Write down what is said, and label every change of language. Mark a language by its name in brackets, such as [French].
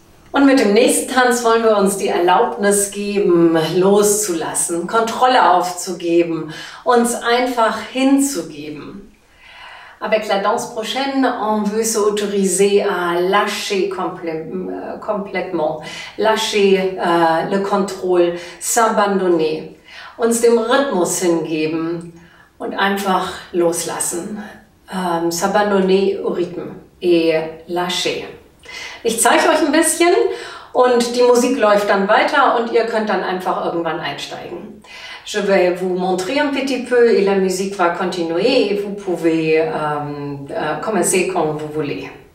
[German] Und mit dem nächsten Tanz wollen wir uns die Erlaubnis geben, loszulassen, Kontrolle aufzugeben, uns einfach hinzugeben. [French] Avec la danse prochaine, on veut s'autoriser à lâcher complètement, lâcher le contrôle, s'abandonner, [German] uns dem Rhythmus hingeben und einfach loslassen. [French] S'abandonner au rythme et lâcher. [German] Ich zeige euch ein bisschen und die Musik läuft dann weiter und ihr könnt dann einfach irgendwann einsteigen. [French] Je vais vous montrer un petit peu et la musique va continuer et vous pouvez commencer quand vous voulez.